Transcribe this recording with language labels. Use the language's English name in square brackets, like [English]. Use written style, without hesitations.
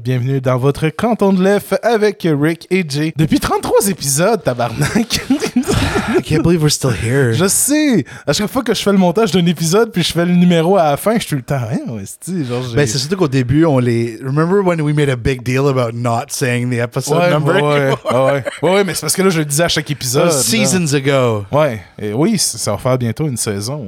[French] Bienvenue dans votre canton de l'EF avec Rick et Jay. Depuis 33 épisodes, tabarnak. [English] I can't believe we're still here. [French] Je sais. À chaque fois que je fais le montage d'un épisode, puis je fais le numéro à la fin, je suis le temps. Hein, ouais, genre ben, c'est surtout qu'au début, on les. [English] Remember when we made a big deal about not saying the episode [French] ouais, [English] number? [French] Ouais, ouais. Ouais, mais c'est parce que là, je le disais à chaque épisode. [English] Seasons ago. [French] Ouais. Et oui, ça va faire bientôt une saison.